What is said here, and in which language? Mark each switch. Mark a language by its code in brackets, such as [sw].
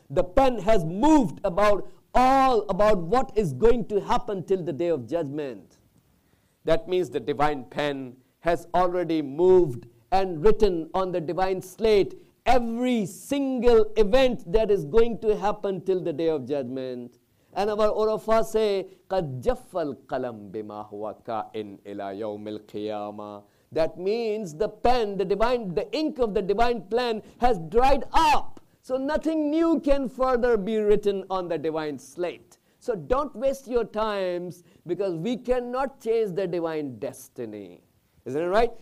[en] The pen has moved about all, about what is going to happen till the day of judgment. That means the divine pen has already moved and written on the divine slate every single event that is going to happen till the day of judgment. And our Urafa say, [ar] قَدْ جَفَّ الْقَلَمْ بِمَا هُوَ كَائِنْ إِلَى يَوْمِ الْقِيَامَةِ. [en] That means the pen, the ink of the divine plan has dried up. So nothing new can further be written on the divine slate. So don't waste your times, because we cannot change the divine destiny. Isn't it right?